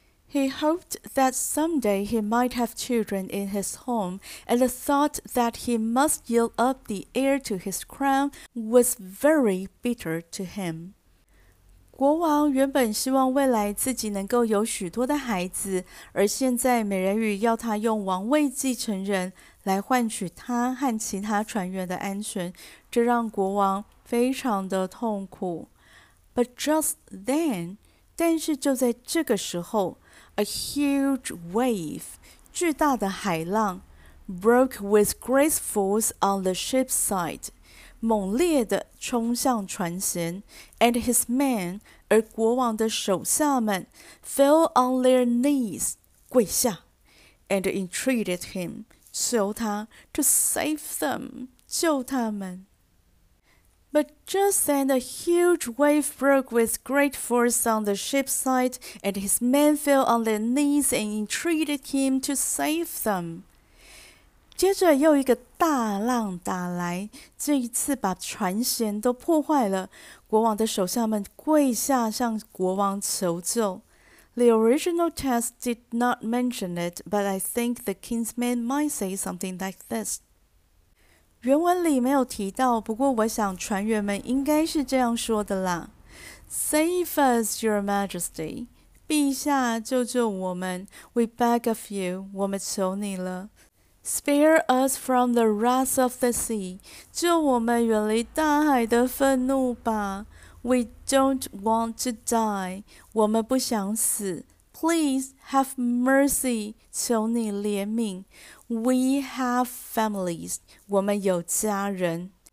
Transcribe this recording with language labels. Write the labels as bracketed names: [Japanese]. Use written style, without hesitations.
[English] He hoped that someday he might have children in his home, and the thought that he must yield up the heir to his crown was very bitter to him. [Chinese] 国王原本希望未来自己能够有许多的孩子，而现在美人鱼要他用王位继承人来换取他和其他船员的安全，这让国王非常的痛苦。 [English] But just then, [Chinese] 但是就在这个时候 [English] ,a huge wave, [Chinese] 巨大的海浪 [English] ,broke with great force on the ship's side, [Chinese] 猛烈的冲向船舷 [English] ,and his men, [Chinese] 而国王的手下们 [English] ,fell on their knees, [Chinese] 跪下 [English] ,and entreated him, [Chinese] 求他 [English] to save them, [Chinese] 救他们。 [English] But just then a huge wave broke with great force on the ship's side, and his men fell on their knees and entreated him to save them. [Chinese] 接着又一个大浪打来，这一次把船舷都破坏了，国王的手下们跪下向国王求救。 [English] The original text did not mention it, but I think the king's men might say something like this. [Chinese] 原文里没有提到，不过我想船员们应该是这样说的啦。 [English] Save us, your majesty. [Chinese] 陛下救救我们。 [English] We beg of you. [Chinese] 我们求你了。 [English] Spare us from the wrath of the sea. [Chinese] 救我们远离大海的愤怒吧。 [English] We don't want to die. [Chinese] 我们不想死。 [English] Please have mercy. [Chinese] 求你怜悯。 [English] We have families. [Chinese] 我们有家人。